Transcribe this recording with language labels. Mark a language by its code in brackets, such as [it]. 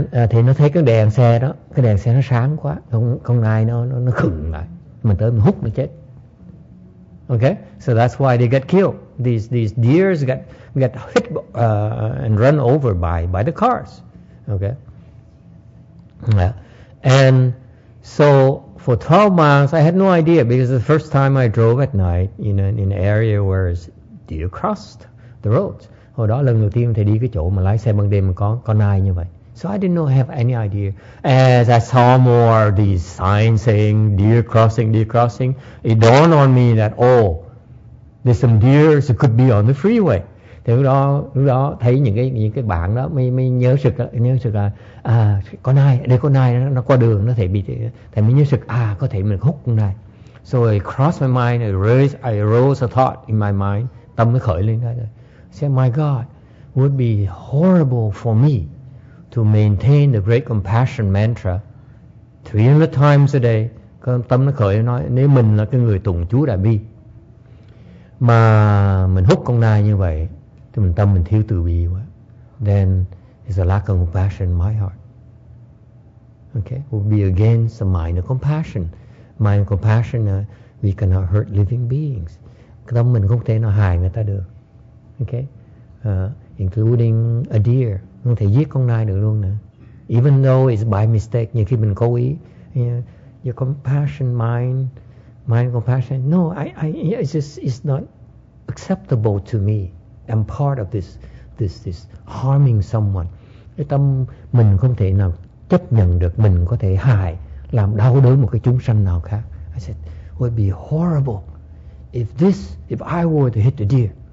[vi] Thì nó thấy cái đèn xe đó, cái đèn xe nó sáng quá, con nai nó khựng lại, mình tới mình hút nó chết. [en] Okay, so that's why they get killed. These deers get hit and run over by the cars. Okay. Yeah. And so for 12 miles, I had no idea because the first time I drove at night, you know, in an area where deer crossed the roads. [vi] Hồi đó lần đầu tiên thầy đi cái chỗ mà lái xe ban đêm mà có nai như vậy. [en] So I didn't have any idea. As I saw more of these signs saying deer crossing, it dawned on me that, oh, there's some deer that could be on the freeway. [vi] Thì lúc đó thấy những cái bảng đó mới nhớ sực là có nai, đây có nai nó qua đường, nó thể bị, thầy mới nhớ sực, có thể mình hút con nai. [en] So it crossed my mind, I arose a thought in my mind, [vi] tâm mới khởi lên ra rồi. [en] Say, my God, would be horrible for me to maintain the great compassion mantra 300 times a day. [vi] Tâm nó khởi nói, nếu mình là cái người tụng chú Đại Bi mà mình hút con nai như vậy thì mình tâm mình thiếu từ bi quá. [en] Then it's a lack of compassion in my heart. Okay, would be against the minor compassion. Minor compassion, we cannot hurt living beings. [vi] Tâm mình không thể nào hại người ta được. [en] Okay, including a deer. [vi] Không thể giết con nai được luôn nữa. [en] Even though it's by mistake, [vi] nhiều khi mình cố ý. [en] Your compassion, mind compassion. No, it's not acceptable to me. I'm part of this harming someone. [vi] Cái tâm mình không thể nào chấp nhận được mình có thể hại, làm đau đớn một cái chúng sanh nào khác. [en] I said, would be horrible if I were to hit the deer.